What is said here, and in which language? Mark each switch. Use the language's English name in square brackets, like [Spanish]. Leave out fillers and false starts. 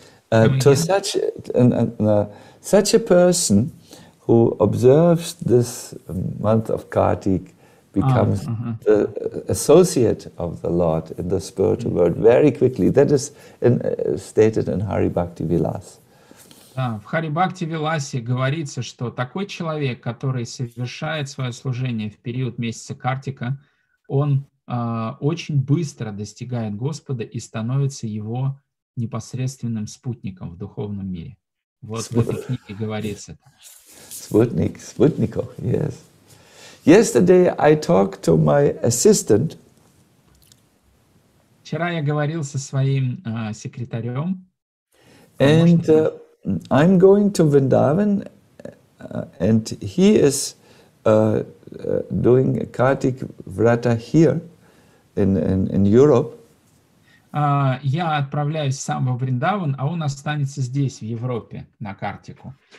[English] Such a person who observes this month of Kartik becomes the associate of the Lord in the spiritual world very quickly. That is stated in Hari Bhakti Vilas. [Russian] Да, в Хари Бхакти Виласе говорится, что такой человек, который совершает свое служение в период месяца Картика, он очень быстро достигает Господа и становится его непосредственным спутником в духовном мире. Вот в этой книге говорится. Спутников, [English] yes. Yesterday I talked to my assistant. [Russian] Вчера я говорил со своим секретарем. [English] And I'm going to Vrindavan, and he is doing Kartik Vrata here in Europe. [Russian] Я отправляюсь сам во Вриндаван, а он останется здесь, в Европе, на Картику.